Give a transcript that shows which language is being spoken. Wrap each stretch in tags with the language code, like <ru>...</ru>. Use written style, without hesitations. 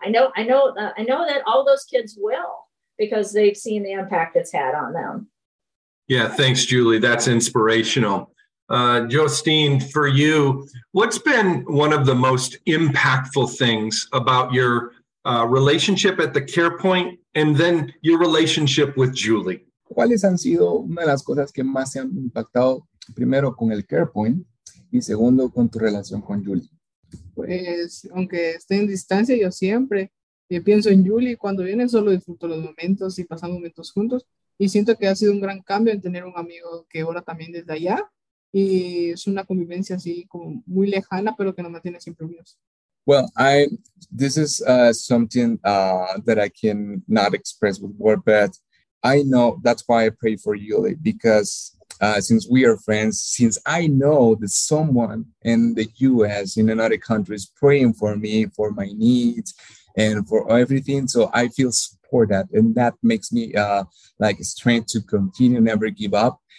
<en>I know that all those kids will, because they've seen the impact it's had on them. Yeah, thanks, Julie. That's inspirational. Yostein, for you, what's been one of the most impactful things about your relationship at the Care Point and then your relationship with Julie?</en> <es>¿Cuáles han sido una de las cosas que más se han impactado primero con el Care Point y segundo con tu relación con Julie? Pues, aunque esté en distancia, yo siempre pienso en Julie. Cuando viene, solo disfruto los momentos y pasamos momentos juntos. Y siento que ha sido un gran cambio en tener un amigo que ora también desde allá. Y es una convivencia así como muy lejana, pero que nos mantiene siempre unidos.</es> <en>Well, this is something that I cannot express with words, but I know that's why I pray for Yuli, because since we are friends, since I know that someone in the U.S., in another country, is praying for me, for my needs, and for everything, so I feel that, and that makes me like strength to continue, never give up.</en>